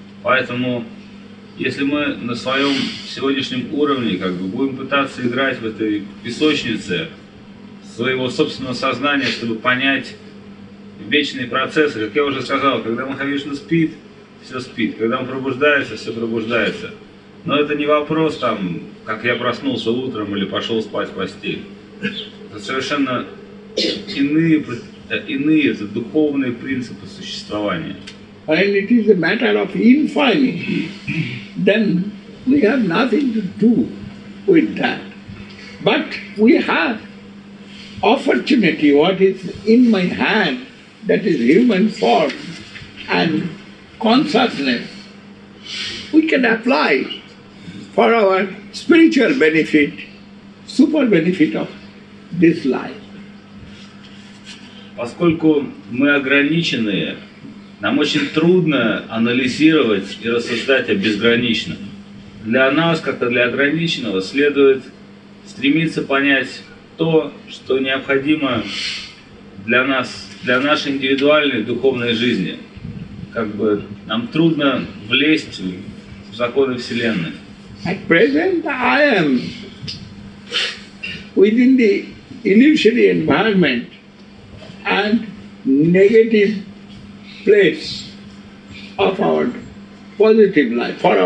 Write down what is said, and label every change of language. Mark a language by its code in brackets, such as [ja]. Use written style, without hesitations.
[ru] Поэтому если мы на своем сегодняшнем уровне как бы будем пытаться играть в этой песочнице своего собственного сознания, чтобы понять вечные процессы, как я уже сказал, когда Махавишна спит, все спит, когда он пробуждается, все пробуждается. Но это не вопрос там, как я проснулся утром или пошел спать в постель. Это совершенно иные это духовные принципы существования. [en] And it is a matter of infinity, then we have nothing to do with that. But we have opportunity, what is in my hand, that is human form and consciousness, we can apply for our spiritual benefit, super benefit of this life. [ru] Поскольку мы ограниченные, нам очень трудно анализировать и рассуждать о безграничном. Для нас, как и для ограниченного, следует стремиться понять то, что необходимо для нас, для нашей индивидуальной духовной жизни. Как бы нам трудно влезть в законы Вселенной. [en] At present I am within the illusory environment and negative place of our positive life,